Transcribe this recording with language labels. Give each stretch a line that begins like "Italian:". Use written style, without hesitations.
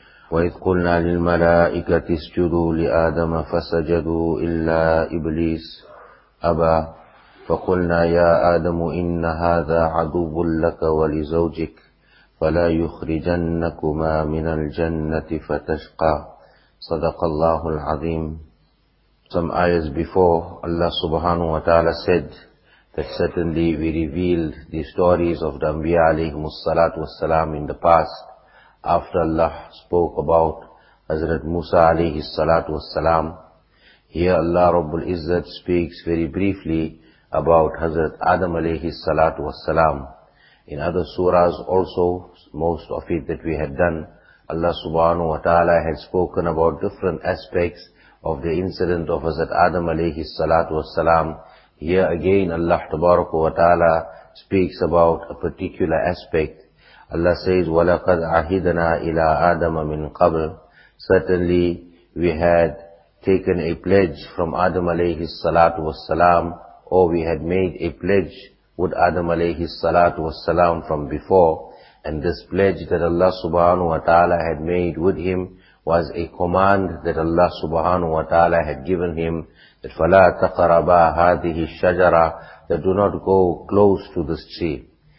Arabic: وإذ قلنا للملائكة اسجدوا لآدم فسجدوا إلا إبليس أبى. فقلنا يا آدم إن هذا عدو لك ولزوجك فلا يخرجنكما من الجنة فتشقى. صدق الله العظيم.
English: Some ayahs before, Allah subhanahu wa ta'ala said that certainly we revealed the stories of the Anbiya alayhimu salatu wa salam in the past, after Allah spoke about Hazrat Musa alayhi salatu wa salam. Here Allah Rabbul Izzat speaks very briefly about Hazrat Adam alayhi salatu wa salam. In other surahs also, most of it that we had done, Allah subhanahu wa ta'ala had spoken about different aspects of the incident of Hazrat Adam alayhi salatu wa salam. Here again Allah tabaraka wa ta'ala speaks about a particular aspect. Allah says,
Arabic: وَلَقَدْ عَهِدَنَا إِلَىٰ آدَمَ مِنْ قَبْلِ.
English: Certainly we had taken a pledge from Adam alayhi salatu wa salam, or we had made a pledge with Adam alayhi salatu wa salam from before. And this pledge that Allah subhanahu wa ta'ala had made with him was a command that Allah subhanahu wa ta'ala had given him, that
Arabic: فَلَا تَقَرَبَا هَذِهِ الشَّجَرَى,
English: that do not go close to this tree.